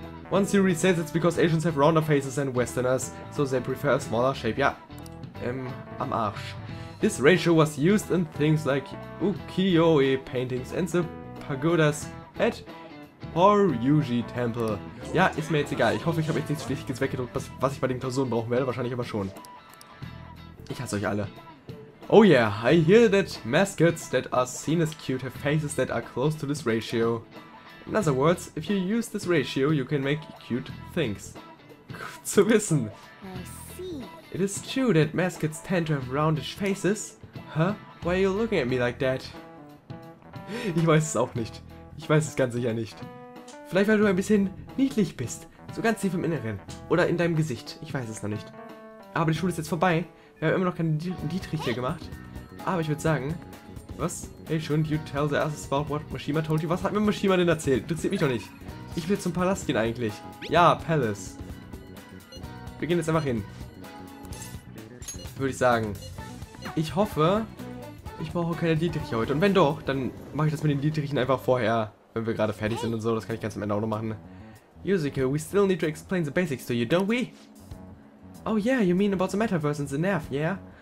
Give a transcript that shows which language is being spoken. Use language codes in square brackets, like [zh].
[en] One theory says it's because Asians have rounder faces than Westerners, so they prefer a smaller shape. [de] Ja. Am Arsch. [en] This ratio was used in things like ukiyo-e paintings and the pagodas at Horyuji Temple. [de] Ja, ist mir jetzt egal. Ich hoffe, ich habe jetzt nichts Wichtiges weggedruckt, was ich bei den Klausuren brauchen werde. Wahrscheinlich aber schon. Ich hasse euch alle. [en] Oh yeah, I hear that mascots that are seen as cute have faces that are close to this ratio. In other words, if you use this ratio, you can make cute things. [de] Gut zu wissen. [en] It is true that mascots tend to have roundish faces. Huh? Why are you looking at me like that? [de] Ich weiß es auch nicht. Ich weiß es ganz sicher nicht. Vielleicht weil du ein bisschen niedlich bist. So ganz tief im Inneren. Oder in deinem Gesicht. Ich weiß es noch nicht. Aber die Schule ist jetzt vorbei. Wir haben immer noch keine Dietrich hier gemacht. Aber ich würde sagen. Was? [en] Hey, shouldn't you tell the others about what Mashima told you? [de] Was hat mir Mashima denn erzählt? Interessiert mich doch nicht. Ich will zum Palast gehen eigentlich. Ja, Palace. Wir gehen jetzt einfach hin. Würde ich sagen. Ich hoffe, ich brauche keine Dietrich heute. Und wenn doch, dann mache ich das mit den Dietrichen einfach vorher, wenn wir gerade fertig sind und so. Das kann ich ganz am Ende auch noch machen. [en] Yuzuki, we still need to explain the basics to you, don't we? Oh yeah, you mean about the metaverse and the nerf, yeah?